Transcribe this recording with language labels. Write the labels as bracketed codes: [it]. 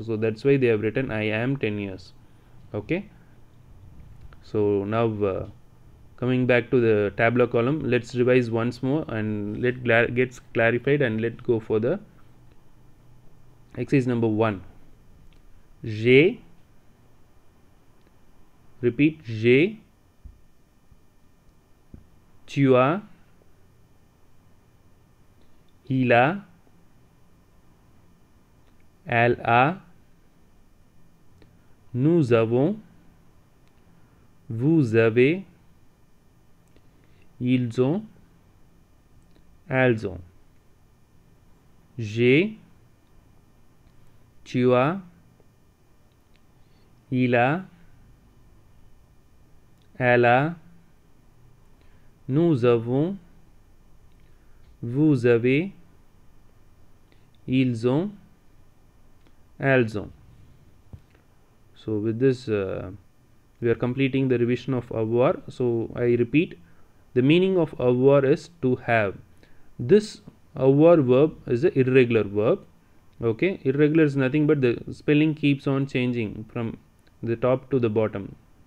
[en] So that's why they have written I am 10 years. Okay. So now coming back to the tableau column, let's revise once more and let gets clarified and let go for the exercise number 1. [fr] J, repeat J, tu as, il a, elle a, nous avons, vous avez, ils ont, elles ont. J'ai, tu as, il a, elle a, nous avons, vous avez, ils ont, elles ont. [en] So with this we are completing the revision of avoir. So I repeat, the meaning of avoir is to have. This avoir verb is an irregular verb. Okay, irregular is nothing but the spelling keeps on changing from the top to the bottom.